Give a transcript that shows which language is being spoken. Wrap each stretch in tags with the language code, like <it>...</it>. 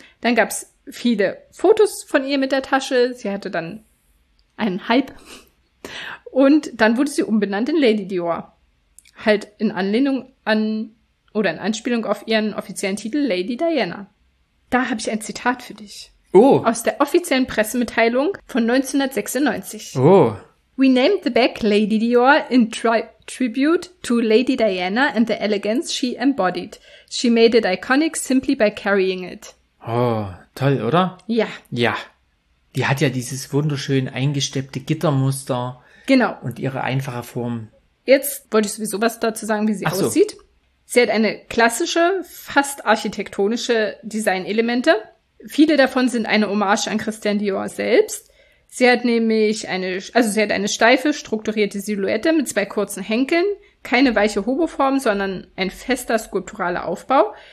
<de>Dann gab es viele Fotos von ihr mit der Tasche. Sie hatte dann einen Hype. Und dann wurde sie umbenannt in Lady Dior. Halt in Anlehnung an oder in Anspielung auf ihren offiziellen Titel Lady Diana. Da habe ich ein Zitat für dich. Oh. Aus der offiziellen Pressemitteilung von 1996. Oh.</de> <en>We named the bag Lady Dior in tribute to Lady Diana and the elegance she embodied. She made it iconic simply by carrying it.</en> <de>Oh, toll, oder? Ja. Ja. Die hat ja dieses wunderschön eingesteppte Gittermuster. Genau. Und ihre einfache Form. Jetzt wollte ich sowieso was dazu sagen, wie sie aussieht. Sie hat eine klassische, fast architektonische Designelemente. Viele davon sind eine Hommage an Christian Dior selbst. Sie hat nämlich eine steife, strukturierte Silhouette mit zwei kurzen Henkeln, keine weiche Hoboform, sondern ein fester, skulpturaler Aufbau.</de>